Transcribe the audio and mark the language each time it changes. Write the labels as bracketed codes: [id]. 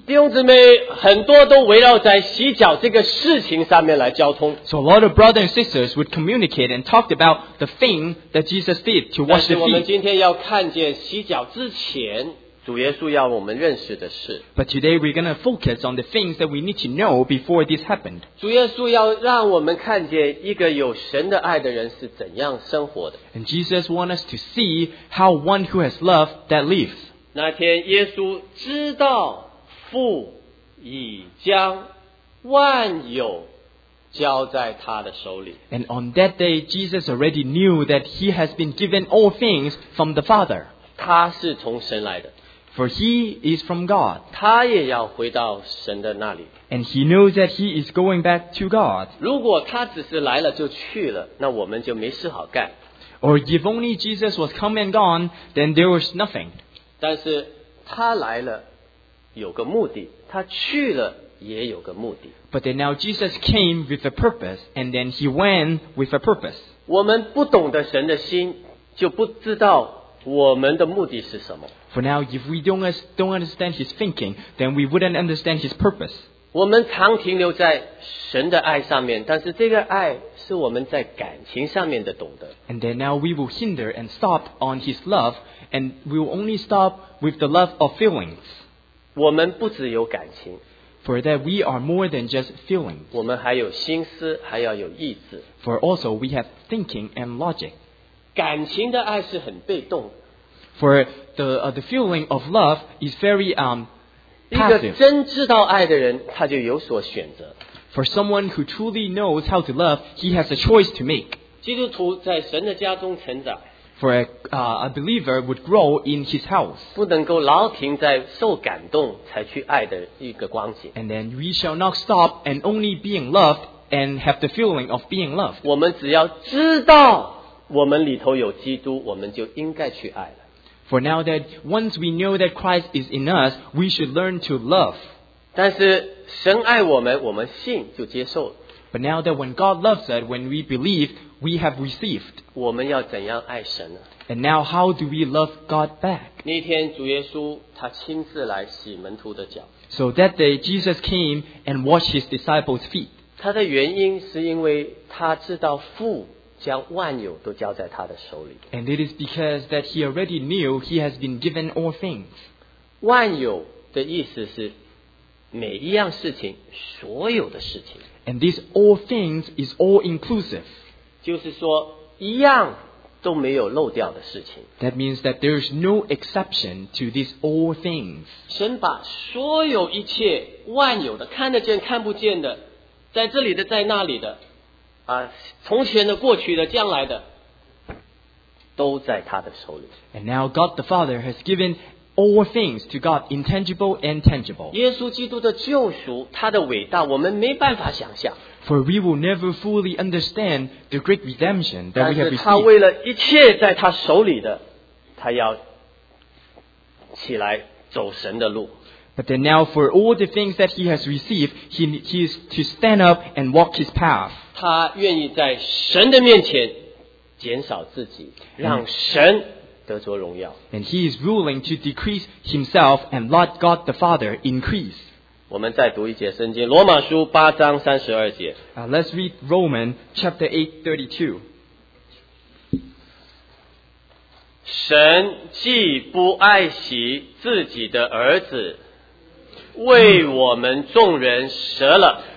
[zh] 弟兄姊妹，很多都围绕在洗脚这个事情上面来交通。 [en] So a lot of brothers and sisters would communicate and talked about the thing that Jesus did to wash the feet. [zh] 但是我们今天要看见洗脚之前，主耶稣要我们认识的事。 [en] But today we're going to focus on the things that we need to know before this happened. [zh] 主耶稣要让我们看见一个有神的爱的人是怎样生活的。 [en] And Jesus wants us to see how one who has love that lives. [zh] 那天耶稣知道父已将万有交在他的手里。 [en] And on that day, Jesus already knew that he has been given all things from the Father. [zh] 他是从神来的。 [en] For he is from God. [zh] 他也要回到神的那里。 [en] And he knows that he is going back to God. [zh] 如果他只是来了就去了，那我们就没事好干。 [en] Or if only Jesus was come and gone, then there was nothing. [zh] 但是他来了有个目的，他去了也有个目的。 [en] But then now Jesus came with a purpose, and then he went with a purpose. [zh] 我们不懂得神的心，就不知道我们的目的是什么。 [en] For now, if we don't understand his thinking, then we wouldn't understand his purpose. [zh] 我们常停留在神的爱上面，但是这个爱是我们在感情上面的懂得。 [en] And then now we will hinder and stop on his love, and we will only stop with the love of feelings. [zh] 我们不只有感情。 [en] For that we are more than just feelings. [zh] 我们还有心思，还要有意志。 [en] For also we have thinking and logic. [zh] 感情的爱是很被动的。 [en] For the feeling of love is very passive. [zh] 一个真知道爱的人，他就有所选择。 [en] For someone who truly knows how to love, he has a choice to make. [zh] 基督徒在神的家中成长。 [en] For a believer would grow in his house. [zh] 不能够老停在受感动才去爱的一个光景。 [en] And then we shall not stop and only being loved and have the feeling of being loved. [zh] 我们只要知道我们里头有基督，我们就应该去爱了。 [en] For now that once we know that Christ is in us, we should learn to love. [zh] 但是神爱我们，我们信就接受了。 [en] But now that when God loves us, when we believe, we have received. [zh] 我们要怎样爱神呢？ [en] And now how do we love God back? [zh] 那天主耶稣他亲自来洗门徒的脚。 [en] So that day Jesus came and washed his disciples' feet. [zh] 他的原因是因为他知道父将万有都交在他的手里。 [en] And it is because that he already knew he has been given all things. [zh] 万有的意思是每一样事情，所有的事情。 [en] And these all things is all inclusive. [zh] 就是说一样都没有漏掉的事情。 [en] That means that there is no exception to these all things. [zh] 神把所有一切万有的看得见看不见的，在这里的在那里的从前的过去的将来的，都在他的手里。 [en] And now God the Father has given all things to God, intangible and tangible. [zh] 耶稣基督的救赎，他的伟大，我们没办法想象。 [en] For we will never fully understand the great redemption that we have received. [zh] 但是他为了一切在他手里的，他要起来走神的路。 [en] But then now for all the things that he has received, he is to stand up and walk his path. [zh] 他愿意在神的面前减少自己，让神得着荣耀。 [en] And he is willing to decrease himself and let God the Father increase. [zh] 我们再读一节圣经，罗马书八章三十二节。 [en] Let's read Romans chapter 8:32. [zh] 神既不爱惜自己的儿子，为我们众人舍了。